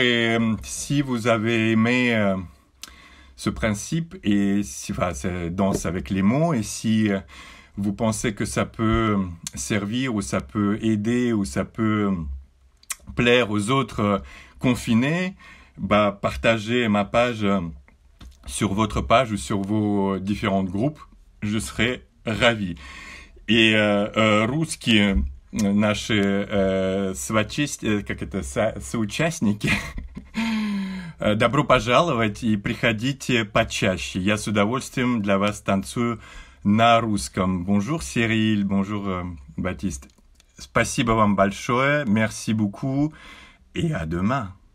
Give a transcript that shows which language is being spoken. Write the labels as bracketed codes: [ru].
[fr] Et si vous avez aimé ce principe, et si, enfin, cette danse avec les mots, et si vous pensez que ça peut servir, ou ça peut aider, ou ça peut plaire aux autres confinés, bah, partagez ma page sur votre page ou sur vos différents groupes, je serai ravi. [ru] Et русские наши соучастники, как это, соучастники, добро пожаловать и приходите почаще. Я с удовольствием для вас танцую на русском. [fr] Bonjour Cyril, bonjour Baptiste. [ru] Спасибо вам большое, [fr] merci beaucoup et à demain.